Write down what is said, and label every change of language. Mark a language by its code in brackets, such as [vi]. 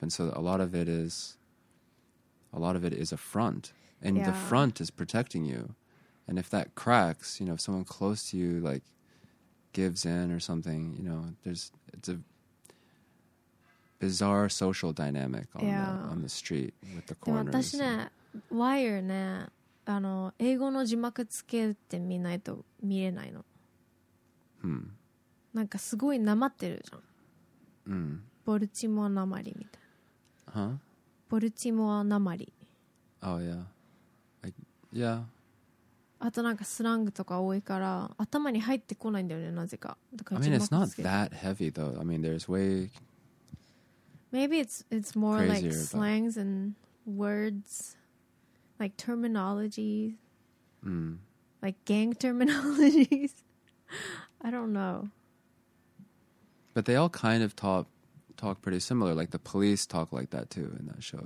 [en] And so a lot of it is a front. And yeah. the front is protecting you. And if that cracks, you know, if someone close to you, like, gives in or something, you know, it's a bizarre social dynamic on, yeah. on the street with the corners. [ja] でも私ね、Wire ね、あの、英語の字幕つけて見ないと見れないの。うん。なんかすごいなまってるじゃん。うん。ボルチモアなまりみたいな。 [en] Huh? [ja] ボルチモアなまり。 [en] Oh, yeah. [ja] あとなんかスラングとか多いから頭に入ってこないんだよねなぜか。だから [en] I mean it's not that heavy though. I mean there's way maybe it's more like slangs and words like terminology、 mm. like gang terminologies. I don't know. But they all kind of talk pretty similar. Like the police talk like that too in that show.